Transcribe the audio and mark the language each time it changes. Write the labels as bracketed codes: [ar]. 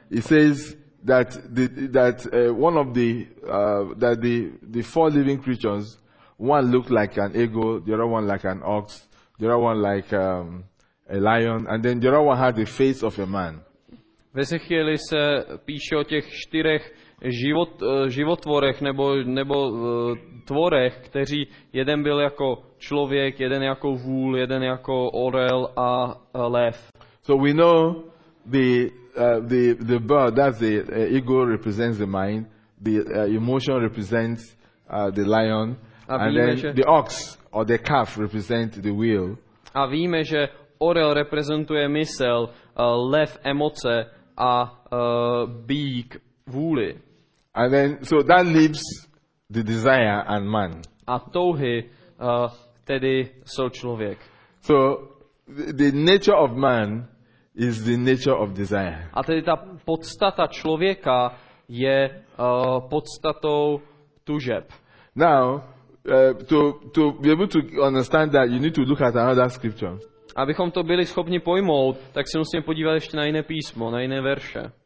[en] it says that one of the four living creatures, one looked like an eagle, the other one like an ox, the other one like a lion, and then the other one had the face of a man. [cs] V Ezechieli se píše o těch čtyřech životvorech nebo tvorech, kteří jeden byl jako člověk, jeden jako vůl, jeden jako orel a lev. [en] So we know the bird, that's the ego represents the mind, the emotion represents the lion, and then the ox or the calf represents the will. [cs] A víme, že orel reprezentuje mysl, lev emoce a bík vůli. [en] And then, so that leaves the desire and man. [cs] A touhy tedy jsou člověk. [en] So the nature of man is the nature of desire. [cs] A tedy ta podstata člověka je podstatou tužeb. [en] Now, to be able to understand that, you need to look at another scripture. [cs] Abychom to byli schopni pojmout, tak si musíme podívat ještě na jiné písmo, na jiné verše.